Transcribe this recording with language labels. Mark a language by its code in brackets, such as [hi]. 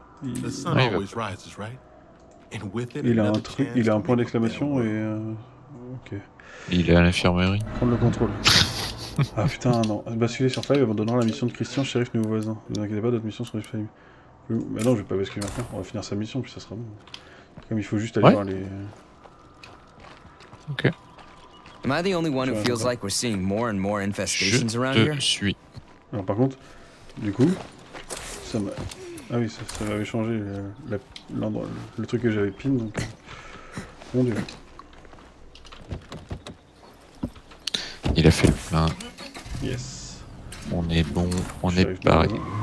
[fr] Il a un truc, il a un point d'exclamation et ok. Il est à l'infirmerie. Prendre le contrôle. Ah putain, non. Basculer sur Five abandonnant la mission de Christian, shérif nouveau voisin. Ne vous inquiétez pas, d'autres missions sont disponibles. Mais non, je vais pas basculer maintenant. On va finir sa mission, puis ça sera bon. Comme il faut juste aller voir les. Ok. [en] Am I the only one who feels like we're seeing more and more infestations around here? [fr] Je te suis. Alors par contre, du coup, ça m'a. Ah oui, ça m'avait changé l'endroit, le truc que j'avais pin, donc. Mon dieu. Il a fait le plein. [en] Yes. [fr] On est bon, on est pareil. Bien.